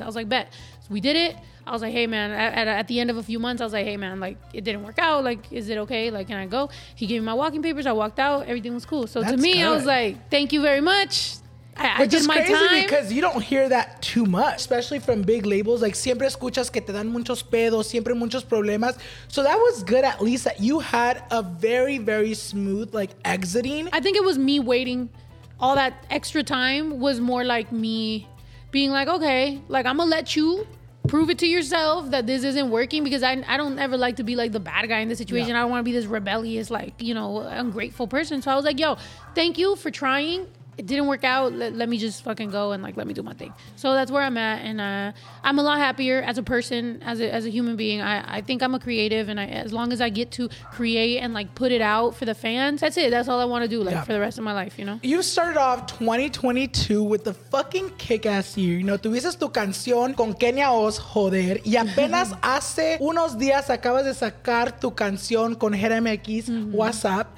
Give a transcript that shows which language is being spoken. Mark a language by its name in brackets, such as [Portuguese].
[English] I was like, bet. So we did it. I was like, hey, man, at the end of a few months, I was like, hey, man, like, it didn't work out. Like, is it okay? Like, can I go? He gave me my walking papers. I walked out. Everything was cool. So that's to me, good. I was like, thank you very much. I did my time. Crazy because you don't hear that too much, especially from big labels. [Spanish] Like, siempre escuchas que te dan muchos pedos, siempre muchos problemas. [English] So that was good, at least, that you had a very, very smooth, like, exiting. I think it was me waiting. All that extra time was more like me being like, okay, like, I'm going to let you prove it to yourself that this isn't working, because I don't ever like to be like the bad guy in this situation. Yeah. I don't want to be this rebellious, like, you know, ungrateful person. So I was like, yo, thank you for trying. It didn't work out. Let me just fucking go and like, let me do my thing. So that's where I'm at. And I'm a lot happier as a person, as a human being. I think I'm a creative, and as long as I get to create and like put it out for the fans, that's it. That's all I want to do, like, yeah, for the rest of my life, you know? You started off 2022 with the fucking kick-ass year. You know, [Spanish] tuviste tu canción con Kenia Oz, Joder. Y apenas hace unos días acabas de sacar tu canción con JeraMX, What's Up.